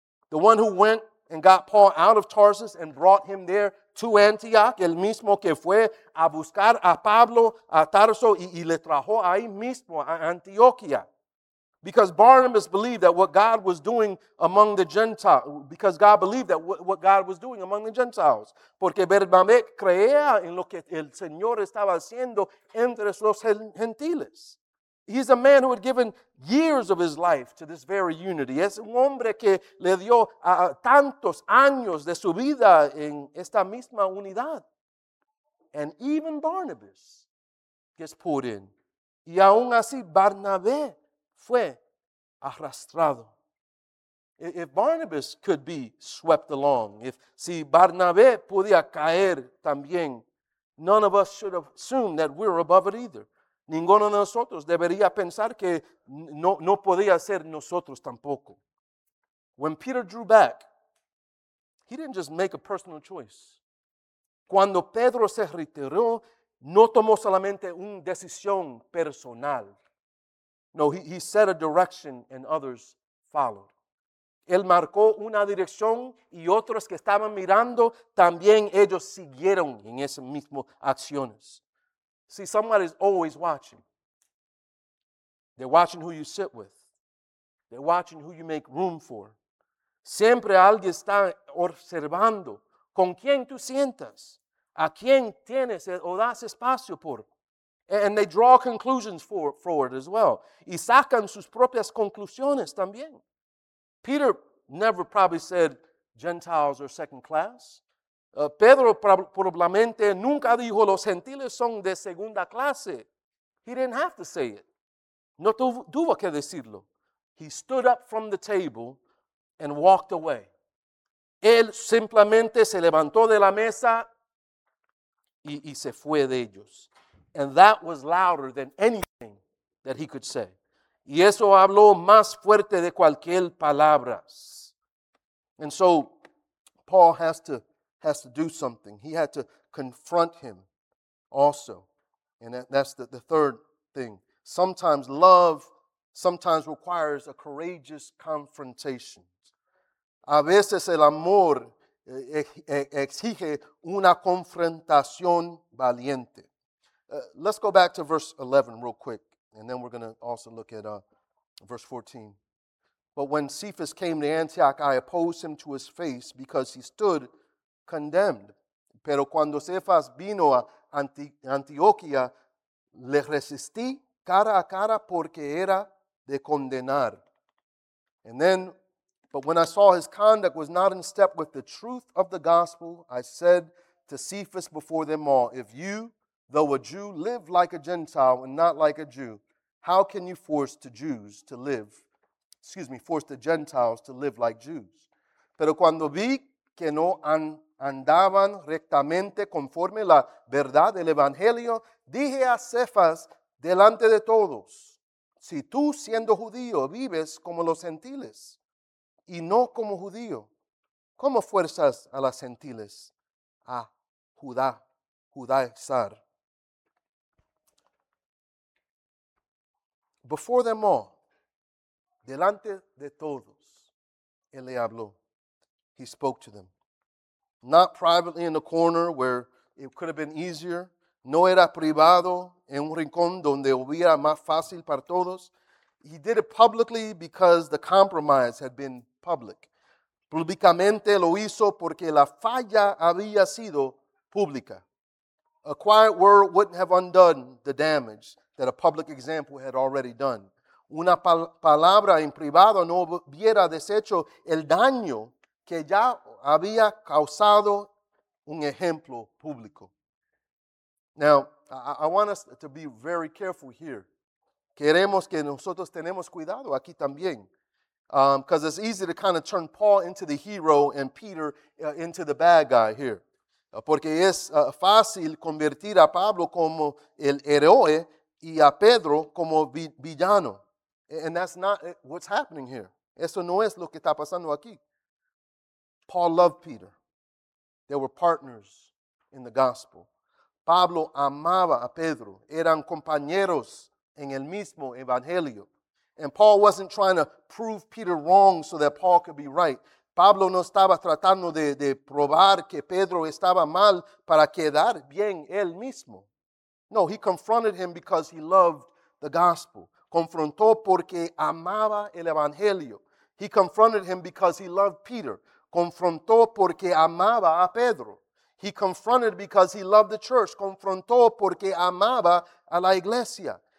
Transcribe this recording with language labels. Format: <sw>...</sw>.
<en>The one who went and got Paul out of Tarsus and brought him there to Antioch,</en> <es>el mismo que fue a buscar a Pablo a Tarso y le trajo ahí mismo a Antioquia.</es> <en>Because Barnabas believed that what God was doing among the Gentiles, because God believed that what God was doing among the Gentiles.</en> <es>Porque Bernabé creía en lo que el Señor estaba haciendo entre los gentiles.</es> <en>He's a man who had given years of his life to this very unity.</en> <es>Es un hombre que le dio tantos años de su vida en esta misma unidad.</es> <en>And even Barnabas gets pulled in.</en> <es>Y aún así, Barnabé fue arrastrado.</es> <en>If Barnabas could be swept along,</en> <es>si Barnabé podía caer también,</es> <en>none of us should assume that we're above it either.</en> <es>Ninguno de nosotros debería pensar que no podía ser nosotros tampoco.</es> <en>When Peter drew back, he didn't just make a personal choice.</en> <es>Cuando Pedro se retiró, no tomó solamente una decisión personal.</es> <en>No, he set a direction and others followed.</en> <es>Él marcó una dirección y otros que estaban mirando, también ellos siguieron en esas mismas acciones.</es> <en>See, someone is always watching. They're watching who you sit with. They're watching who you make room for.</en> <es>Siempre alguien está observando con quién tú sientas, a quién tienes o das espacio por.</es> <en>And they draw conclusions forward as well.</en> <es>Y sacan sus propias conclusiones también.</es> <en>Peter never probably said, Gentiles are second class.</en> <es>Pedro probablemente nunca dijo los gentiles son de segunda clase.</es> <en>He didn't have to say it.</en> <es>No tuvo que decirlo.</es> <en>He stood up from the table and walked away.</en> <es>Él simplemente se levantó de la mesa y se fue de ellos.</es> <en>And that was louder than anything that he could say.</en> <es>Y eso habló más fuerte de cualquier palabras.</es> <en>And so Paul has to do something. He had to confront him also. And that's the third thing. Sometimes love sometimes requires a courageous confrontation.</en> <es>A veces el amor exige una confrontación valiente.</es> <en>Let's go back to verse 11 real quick, and then we're going to also look at verse 14. But when Cephas came to Antioch, I opposed him to his face because he stood condemned.</en> <es>Pero cuando Cephas vino a Antioquía, le resistí cara a cara porque era de condenar.</es> <en>And then, but when I saw his conduct was not in step with the truth of the gospel, I said to Cephas before them all, if you, though a Jew, live like a Gentile and not like a Jew, how can you force the Gentiles to live like Jews?</en> <es>Pero cuando vi que no andaban rectamente conforme la verdad del Evangelio, dije a Cephas delante de todos, si tú, siendo judío, vives como los gentiles y no como judío, ¿cómo fuerzas a las gentiles a judaizar?</es> <en>Before them all,</en> <es>delante de todos, él le habló.</es> <en>He spoke to them. Not privately in a corner where it could have been easier.</en> <es>No era privado en un rincón donde hubiera más fácil para todos.</es> <en>He did it publicly because the compromise had been public.</en> <es>Públicamente lo hizo porque la falla había sido pública.</es> <en>A quiet word wouldn't have undone the damage that a public example had already done.</en> <es>Una palabra en privado no hubiera deshecho el daño que ya había causado un ejemplo público.</es> <en>Now, I want us to be very careful here.</en> <es>Queremos que nosotros tenemos cuidado aquí también.</es> <en>Because it's easy to kind of turn Paul into the hero and Peter into the bad guy here.</en> <es>Porque es fácil convertir a Pablo como el héroe y a Pedro como villano.</es> <en>And that's not what's happening here.</en> <es>Eso no es lo que está pasando aquí.</es> <en>Paul loved Peter. They were partners in the gospel.</en> <es>Pablo amaba a Pedro. Eran compañeros en el mismo evangelio.</es> <en>And Paul wasn't trying to prove Peter wrong so that Paul could be right.</en> <es>Pablo no estaba tratando de probar que Pedro estaba mal para quedar bien él mismo.</es> <en>No, he confronted him because he loved the gospel.</en> <es>Confrontó porque amaba el evangelio.</es> <en>He confronted him because he loved Peter.</en> <es>Confrontó porque amaba a Pedro.</es> <en>He confronted because he loved the church.</en> <es>Confrontó porque amaba a la iglesia.</es>